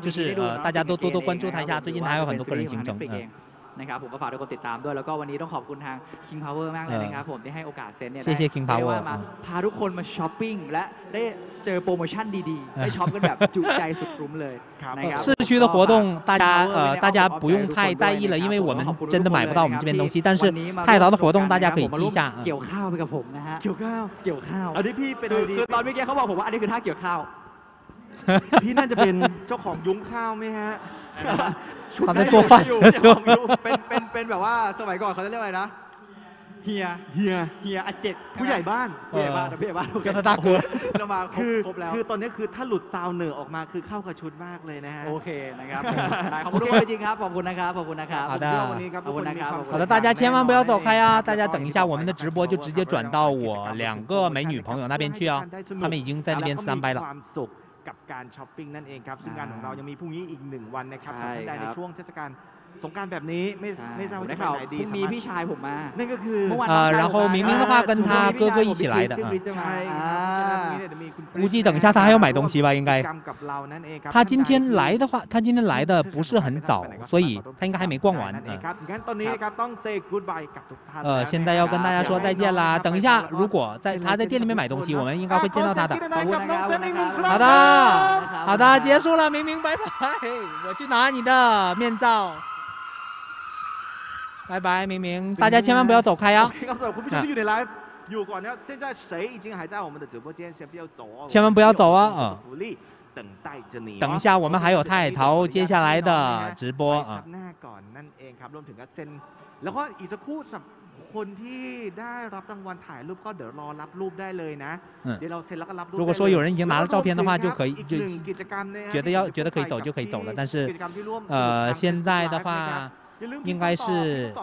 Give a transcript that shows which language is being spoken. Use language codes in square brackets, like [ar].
[zh] 就是大家都多多关注他一下最近他还有很多个人行程 [th] นะครับผมก็ฝากทุกคนติดตามด้วยแล้วก็วันนี้ต้องขอบคุณทาง King Power มากเลยนะครับผมที่ให้โอกาสเซนเนี่ย ขอบคุณ King Power มาพาทุกคนมาช้อปปิ้งและได้เจอโปรโมชั่นดีๆได้ช็อปกันแบบจุใจสุดรุ่มเลย ครับ [zh] 市区的活动大家不用太在意了因为我们真的买不到我们这边东西但是泰淘的活动大家可以记一下 [th] เกี่ยวข้าวไปกับผมนะฮะ เกี่ยวข้าว เกี่ยวข้าว อันนี้พี่เป็น คือตอนเมื่อกี้เขาบอกผมว่าอันนี้คือท่าเกี่ยวข้าว พี่น่าจะเป็นเจ้าของยุ้งข้าวไหมฮะ เขาได้ตัวฟัน อยู่เป็นแบบว่าสมัยก่อนเขาจะเรียกอะไรนะเฮียอาเจ็ด ผู้ใหญ่บ้าน ผู้ใหญ่บ้าน เจ้า พ ระตา คือ เรามาครบแล้ว คือตอนนี้คือถ้าหลุดซาวเนอร์ออกมาคือเข้ากับชุดมากเลยนะฮะ โอเคนะครับขอบคุณจริงครับขอบคุณนะครับขอบคุณนะครับ ขอบคุ ณวัน นี้ครับ ขอบคุ ณนะครับ ขอให้ทุกท่าน [zh] 千万不要走开啊大家等一下我们的直播就直接转到我两个美女朋友那边去啊他们已经在那边 standby 了 [th] กับการช้อปปิ้งนั่นเองครับซึ่งงานของเรายังมีพรุ่งนี้อีก1วันนะครับสำหรับท่านใดในช่วงเทศกาลสงกรานต์แบบนี้ไม่ทราบว่าจะไปไหนดี มีพี่ชายผมมานั่นก็คือ แล้ว [zh] 明明的话跟他哥哥一起来的 [th] ใช่ใช่ มีคุณครู [zh] 估计等一下他还要买东西吧应该他今天来的话他今天来的不是很早所以他应该还没逛完 [th] นะครับงั้นตอนนี้นะครับต้อง [en] say goodbye [th] กับทุกท่าน [zh] 现在要跟大家说再见啦等一下如果在他在店里面买东西我们应该会见到他的好的好的结束了明明拜拜我去拿你的面罩拜拜明明大家千万不要走开啊告诉我不必须有点来有管呢现在谁已经还在我们的直播间先不要走哦千万不要走啊福利等待着你。等一下，我们还有泰陶接下来的直播啊。 [th] หน้าก่อนนั่นเองครับรวมถึงกับเซ็นแล้วก็อีกสักครู่สำหรับคนที่ได้รับรางวัลถ่ายรูปก็เดี๋ยวรอรับรูปได้เลยนะเดี๋ยวเราเซ็นแล้วก็รับรูป [zh] 如果说有人已经拿了照片的话就可以就 [th] กิจกรรมเนี่ย [zh] 觉得可以走就可以走了但是现在的话应该是